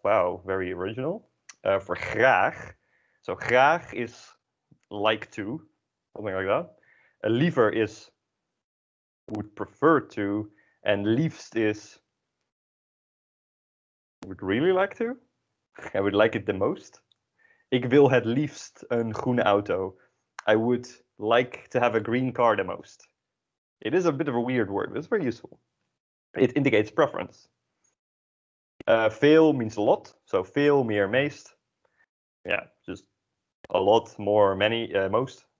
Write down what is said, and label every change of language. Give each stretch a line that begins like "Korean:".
English: Wow, very original. For graag, so graag is like to, something like that. Liever is would prefer to, and liefst is would really like to. I would like it the most.
Dutch: Ik wil het liefst een groene auto.
English: I would like to have a green car the most. It is a bit of a weird word, but it's very useful. It indicates preference. Veel means a lot. So
Dutch: veel, meer, meest.
English: Yeah, just a lot, more, many, most.